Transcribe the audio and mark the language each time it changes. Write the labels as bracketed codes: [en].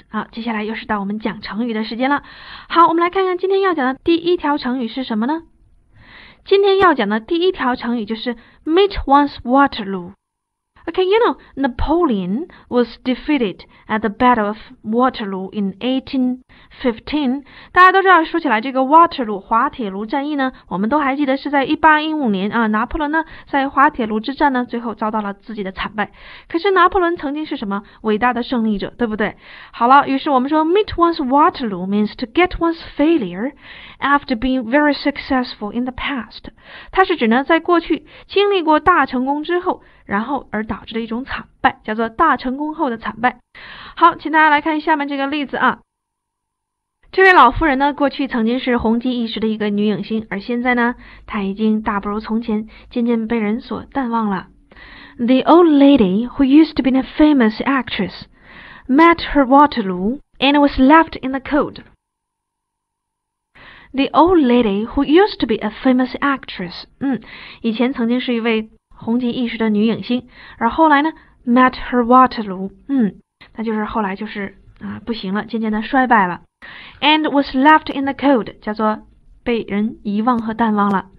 [zh] 好，接下来又是到我们讲成语的时间了。好，我们来看看今天要讲的第一条成语是什么呢？今天要讲的第一条成语就是 [en] meet one's Waterloo。 Okay, you know, Napoleon was defeated at the Battle of Waterloo in 1815. [zh] 大家都知道，说起来这个 Waterloo 滑铁卢战役呢，我们都还记得是在1815年啊，拿破仑呢在滑铁卢之战呢，最后遭到了自己的惨败。可是拿破仑曾经是什么伟大的胜利者，对不对？好了，于是我们说 [en] meet one's Waterloo means to get one's failure after being very successful in the past. [zh] 它是指呢在过去经历过大成功之后。然后而导致的一种惨败，叫做大成功后的惨败。好，请大家来看下面这个例子啊。这位老夫人呢，过去曾经是红极一时的一个女影星，而现在呢，她已经大不如从前，渐渐被人所淡忘了。 [en] The old lady who used to be a famous actress met her Waterloo and was left in the cold. The old lady who used to be a famous actress， [zh] 以前曾经是一位红极一时的女影星，而后来呢 ， [en] met her Waterloo， [zh] 那就是后来就是啊不行了，渐渐的衰败了 ， [en] and was left in the cold， [zh] 叫做被人遗忘和淡忘了。